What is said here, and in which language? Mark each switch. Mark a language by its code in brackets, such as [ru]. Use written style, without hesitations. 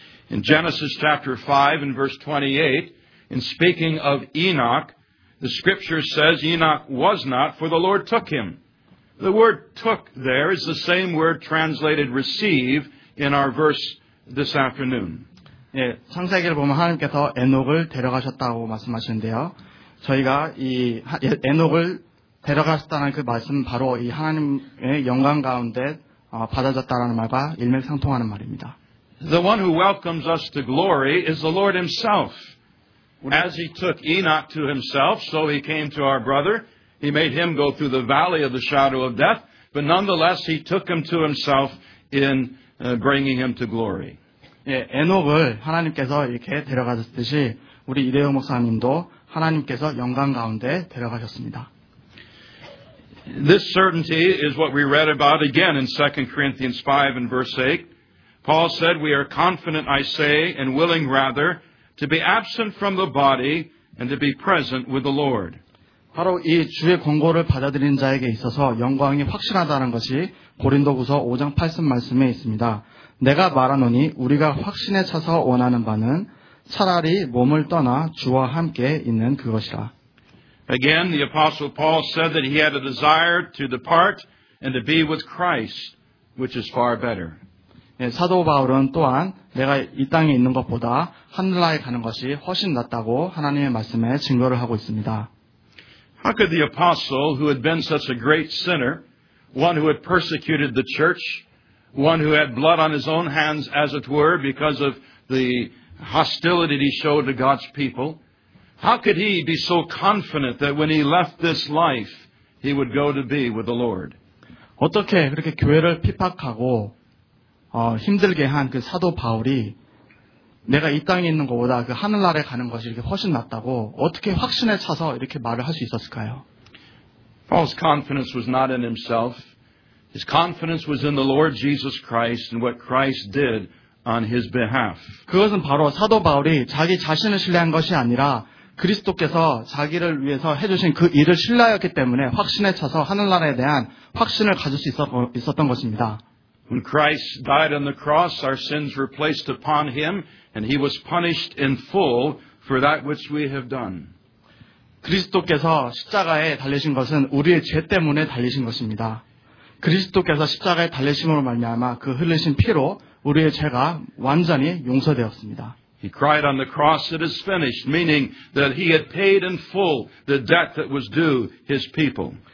[en] In Genesis chapter 5 and verse 28, in speaking of Enoch, the scripture says Enoch was not, for the Lord took him. The word took there is the same word translated receive in our verse this afternoon. [ko] 예, 창세기를 보면 하나님께서 에녹을 데려가셨다고 말씀하시는데요. 저희가 이 에녹을 데려가셨다는 그 말씀 바로 이 하나님의 영광 가운데 받아졌다라는 말과 일맥상통하는 말입니다. [en] The one who welcomes us to glory is the Lord himself. As he took Enoch to himself, so he came to our brother. He made him go through the valley of the shadow of death, but nonetheless he took him to himself in bringing him to glory. [ko] 예, 에녹을 하나님께서 이렇게 데려가셨듯이 우리 이대용 목사님도 하나님께서 영광 가운데 데려가셨습니다. [en] This certainty is what we read about again in 2 Corinthians 5 and verse 8. Paul said, we are confident, I say, and willing rather, to be absent from the body and to be present with the Lord. [ko] 바로 이 주의 권고를 받아들인 자에게 있어서 영광이 확실하다는 것이 고린도후서 5장 8절 말씀에 있습니다. 내가 말하노니 우리가 확신에 차서 원하는 바는 차라리 몸을 떠나 주와 함께 있는 그것이라. [en] Again, the apostle Paul said that he had a desire to depart and to be with Christ, which is far better. [ko] 예, 사도 바울은 또한 내가 이 땅에 있는 것보다 하늘나라에 가는 것이 훨씬 낫다고 하나님의 말씀에 증거를 하고 있습니다. [en] How could the apostle, who had been such a great sinner, one who had persecuted the church, one who had blood on his own hands, as it were, because of the hostility he showed to God's people, how could he be so confident that when he left this life, he would go to be with the Lord? [ko] 어떻게 그렇게 교회를 핍박하고 힘들게 한 그 사도 바울이 내가 이 땅에 있는 것보다 그 하늘나라에 가는 것이 이렇게 훨씬 낫다고 어떻게 확신에 차서 이렇게 말을 할 수 있었을까요? [en] Paul's confidence was not in himself. His confidence was in the Lord Jesus Christ and what Christ did on his behalf. [ko] 그것은 바로 사도 바울이 자기 자신을 신뢰한 것이 아니라 그리스도께서 자기를 위해서 해주신 그 일을 신뢰하였기 때문에 확신에 차서 하늘나라에 대한 확신을 가질 수 있었던 것입니다. [en] When Christ died on the cross, our sins were placed upon him, and he was punished in full for that which we have done. [ko] 그리스도께서 십자가에 달리신 것은 우리의 죄 때문에 달리신 것입니다. 그리스도께서 십자가에 달리심으로 말미암아 그 흘리신 피로 우리의 죄가 완전히 용서되었습니다. [en] He cried on the cross, it is finished, meaning that he had paid in full the debt that was due his people.